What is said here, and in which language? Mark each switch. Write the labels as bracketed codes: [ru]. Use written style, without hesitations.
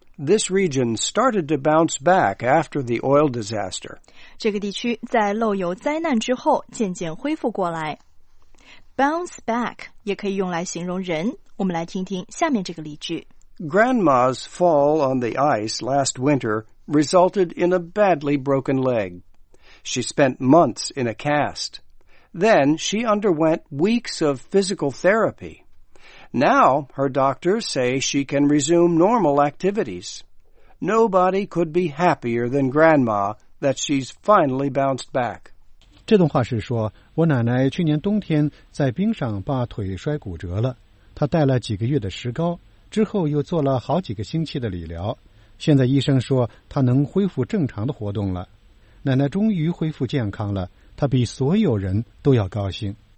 [en] This region started to bounce back after the oil disaster. [zh] 这个地区在漏油灾难之后渐渐恢复过来。 Bounce back 也可以用来形容人。我们来听听下面这个例句。 [en] Grandma's fall on the ice last winter resulted in a badly broken leg. She spent months in a cast. Then she underwent weeks of physical therapy. Now, her doctors say she can resume normal activities. Nobody could be happier than Grandma that she's finally bounced back. [zh] 这段话是说，我奶奶去年冬天在冰上把腿摔骨折了，她戴了几个月的石膏，之后又做了好几个星期的理疗。现在医生说她能恢复正常的活动了。奶奶终于恢复健康了，她比所有人都要高兴。